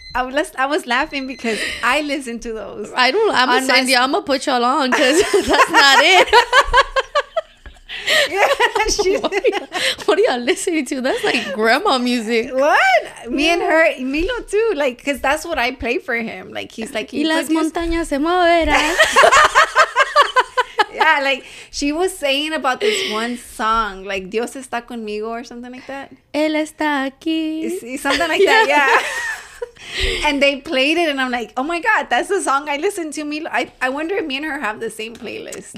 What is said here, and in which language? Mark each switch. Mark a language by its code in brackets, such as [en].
[en] I was laughing because I listen to those. I don't. I'm going to send you. I'm going to put y'all on because that's not it. Yeah, what are y'all listening to? That's like grandma music. What? Me and her, Milo too. Like, because that's what I play for him. Like, he's like, [es] y las montañas se moverán. [en] Yeah, like she was saying about this one song, like [es] Dios está conmigo [en] or something like that. [es] Él está aquí. [en] Something like yeah. that, yeah. And they played it and I'm like, oh my God, that's the song I listen to. Milo. I wonder if me and her have the same playlist.